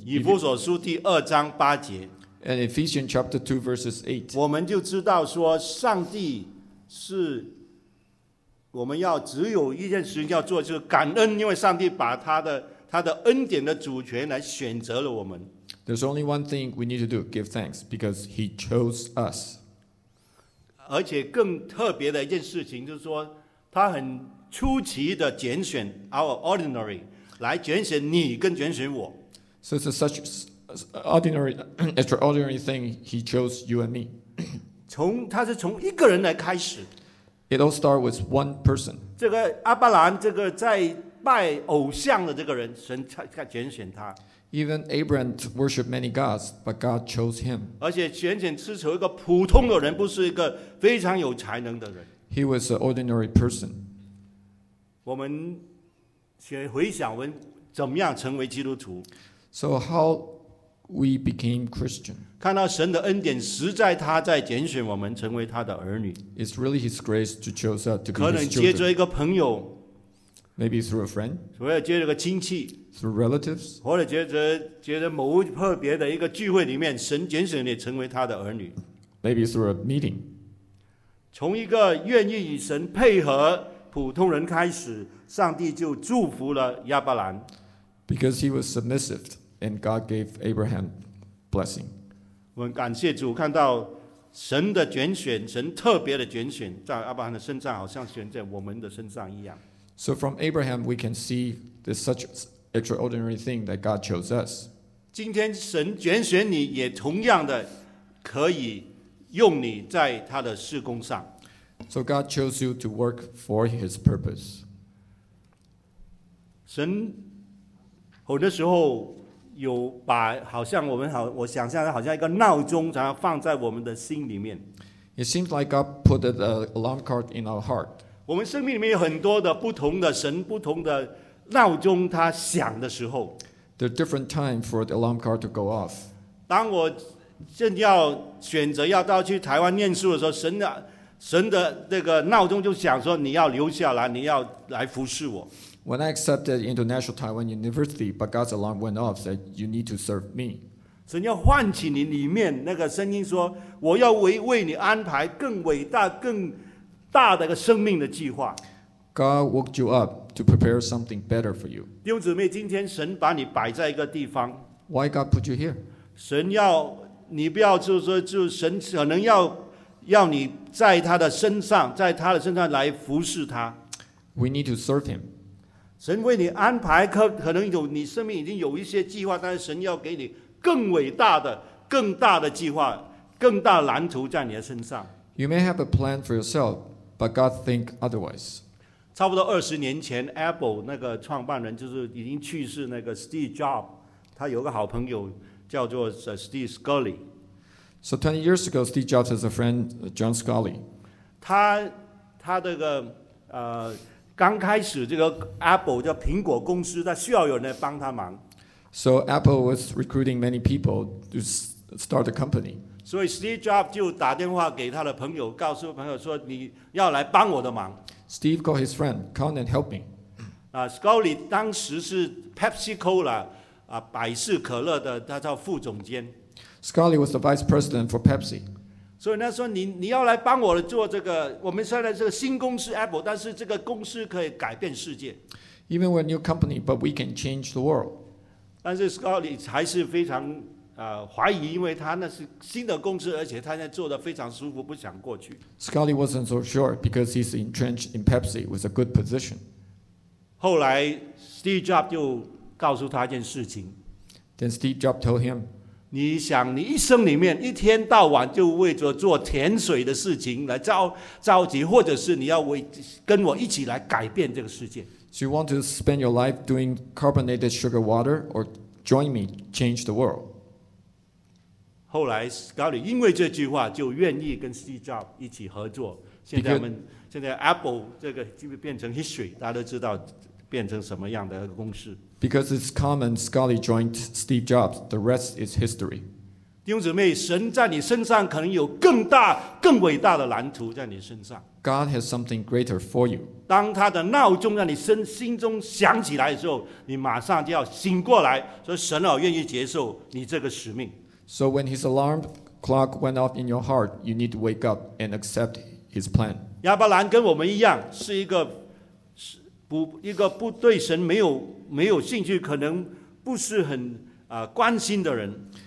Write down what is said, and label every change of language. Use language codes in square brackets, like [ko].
[zh] 以弗所书第二章八节 [en] and Ephesians chapter 2 verses 8, [zh] 我们就知道说上帝是我们要只有一件事情要做，就是感恩，因为上帝把他的恩典的主权来选择了我们。 [en] There's only one thing we need to do, give thanks, because he chose us. [zh] 而且更特别的一件事情就是说他很出奇的拣选 [en] our ordinary [zh] 来拣选你跟拣选我。 [en] So it's such extraordinary thing he chose you and me. [zh] 他是从一个人来开始。 [en] It all starts with one person. [zh] 这个亚伯兰这个在拜偶像的这个人，神拣选他。 [en] Even Abraham worshipped many gods, but God chose him. [zh] 而且拣选是从一个普通的人，不是一个非常有才能的人。 [en] He was an ordinary person. [zh] 我们先回想我们怎么样成为基督徒。 [en] So how we became Christian? [zh] 看到神的恩典实在他在拣选我们成为他的儿女。 [en] It's really his grace to choose us to be his children. [zh] 可能接着一个朋友。 [en] Maybe through a friend. [zh] 或者接着一个亲戚。 [en] Through relatives. [zh] 或者接着某特别的一个聚会里面神拣选你成为他的儿女。 [en] Maybe through a meeting. [zh] 从一个愿意与神配合普通人开始，上帝就祝福了亚伯兰。 [en] Because he was submissive, and God gave Abraham blessing. [zh] 我们感谢主，看到神的拣选，神特别的拣选，在亚伯兰的身上，好像选在我们的身上一样。 [en] So from Abraham, we can see this such extraordinary thing that God chose us. [zh] 今天神拣选你，也同样的可以用你在他的事工上。 [en] So God chose you to work for His purpose. [zh] 神有的时候有把好像我们好，我想象好像一个闹钟，然后放在我们的心里面。 [en] It seems like God put an alarm clock in our heart. [zh] 我们生命里面有很多的不同的神不同的闹钟，它响的时候。 [en] There are different times for the alarm clock to go off. [zh] 当我正要选择要到去台湾念书的时候，神的那个闹钟就响说你要留下来，你要来服侍我。 [en] When I accepted International Taiwan University, but God's alarm went off, said, "You need to serve me." [zh] 神要唤起你里面那个声音说，我要为你安排更伟大、更大的个生命的计划。 [en] God woke you up to prepare something better for you. [zh] 弟兄姊妹，今天神把你摆在一个地方。 [en] Why God put you here? [zh] 神要你不要就是说，就神可能要你在他的身上，在他的身上来服侍他。 [en] We need to serve him. [zh] 神为你安排可能有你生命已经有一些计划，但是神要给你更伟大的、更大的计划、更大的蓝图在你的身上。 [en] You may have a plan for yourself, but God think otherwise. [zh] 差不多二十年前 ，Apple 那个创办人就是已经去世那个 Steve Jobs， 他有个好朋友叫做 Steve Scully。 [en] So 20 years ago, Steve Jobs has a friend, John Scully. [zh] 他这个刚开始这个 Apple 叫苹果公司，他需要有人帮他忙。 [en] So Apple was recruiting many people to start a company. [zh] 所以 Steve Jobs 就打电话给他的朋友，告诉朋友说你要来帮我的忙。 [en] Steve called his friend, come and help me. [zh] Scully 当时是 PepsiCo 百事可乐的，他叫副总监。 [en] Scully was the vice president for Pepsi. [zh] 所以他说你要来帮我做这个，我们现在这个新公司 Apple， 但是这个公司可以改变世界。 [en] Even we're a new company, but we can change the world. [zh] 但是 Scully 还是非常怀疑，因为他那是新的公司，而且他现在做得非常舒服，不想过去。 [en] Scully wasn't so sure because he's entrenched in Pepsi with a good position. [zh] 后来 Steve Jobs 就告诉他一件事情。 [en] Then Steve Jobs told him. [zh] 你想你一生里面一天到晚就为着做甜水的事情来着急，或者是你要跟我一起来改变这个世界。 [en] So you want to spend your life doing carbonated sugar water or join me, change the world? [zh] 后来 Scully 因为这句话就愿意跟 Steve Jobs 一起合作。现在 Apple 这个就变成 history， 大家都知道变成什么样的公司。 [en] Because it's common, Scully joined Steve Jobs. The rest is history. [zh] 弟兄姊妹，神在你身上可能有更大、更伟大的蓝图在你身上。 [en] God has something greater for you. [zh] 当他的闹钟在你心中响起来的时候，你马上就要醒过来，所以神愿意接受你这个使命。 [en] So when his alarm clock went off in your heart, you need to wake up and accept his plan. [zh] 亚伯兰跟我们一样，是一个不对神没有兴趣，可能不是很关心的人。